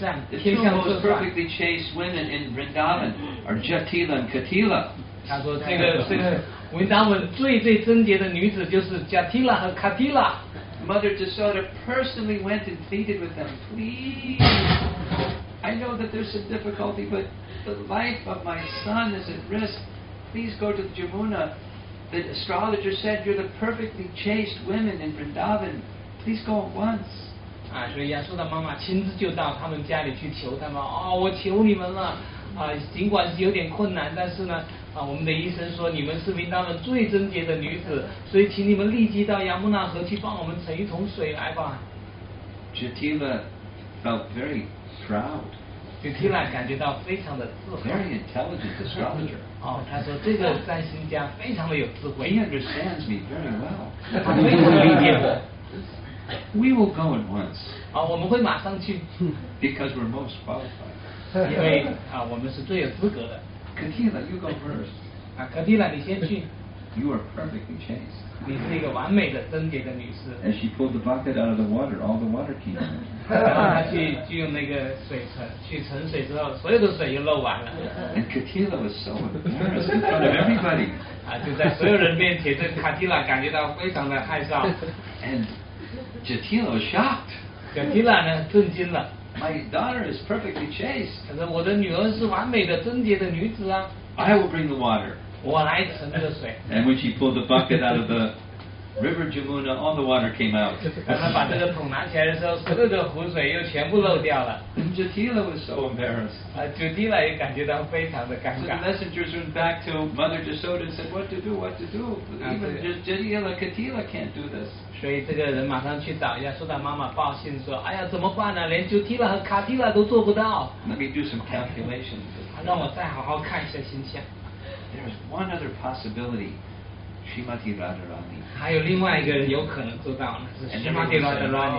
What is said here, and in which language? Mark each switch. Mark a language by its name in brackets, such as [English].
[English] The two most perfectly chaste women in Vrindavan are Jatila and Katila. [Chinese] 他说这个 Vrindavan 最最贞洁的女子就是 Jatila 和 Katila. [English] Mother Jasoda personally went and pleaded with them, please. I know that there's some difficulty, but the life of my son is at risk. Please go to the Jamuna. The astrologer said you're the perfectly chaste women in Vrindavan. Please go at once. [Chinese] 所以亚瑟的妈妈亲自就到他们家里去求他们，哦，我求你们了，尽管是有点困难，但是呢，我们的医生说你们是名当中最贞洁的女子，所以请你们立即到亚穆纳河去帮我们盛一桶水来吧。 [English] Jatila felt very proud. [Chinese] Jatila 感觉到非常的自豪。 [English] Very intelligent astrologer. [Chinese] 他说这个占星家非常的有智慧。 [English] He understands me very well. [Chinese] 他非常理解我。 [English] We will go at once. [Chinese] 我们会马上去。 [English] Because we're most qualified. [Chinese] 因为我们是最有资格的。 [English] Kadila, you go first. [Chinese] Kadila, 你先去。 [English] You are perfectly chaste. [Chinese] 你是一个完美的贞洁的女士。 [English] And she pulled the bucket out of the water, all the water came out. [Chinese] 然后她去就用那个水盛，去盛水之后，所有的水就漏完了。 [English] And Kadila was so embarrassed in front of everybody. [Chinese] 就在所有人面前，这 Kadila 感觉到非常的害臊。 [English] And Jatila was shocked. [Chinese] Kadila 呢，震惊了。 [English] My daughter is perfectly chaste. [Chinese] 她说我的女儿是完美的贞洁的女子啊。 [English] I will bring the water. [Chinese] 我来盛这个水。 [English] And when she pulled the bucket out of the river Jamuna, all the water came out. [Chinese] 当她把这个桶拿起来的时候，所有的湖水又全部漏掉了。 [English] And Jatila was so embarrassed. [Chinese] 啊，朱迪拉也感觉到非常的尴尬。 [English] So the messengers went back to Mother Jasoda and said, "What to do? What to do?" Even Jatila, Katila can't do this. [Chinese] 所以这个人马上去找亚苏达妈妈报信说，哎呀，怎么办呢？连朱迪拉和卡蒂拉都做不到。 [English] Let me do some calculations. [Chinese] 让我再好好看一下形象。 [English] There's one other possibility. Srimati Radharani. [Chinese] 还有另外一个人有可能做到呢，是 Srimati Radharani.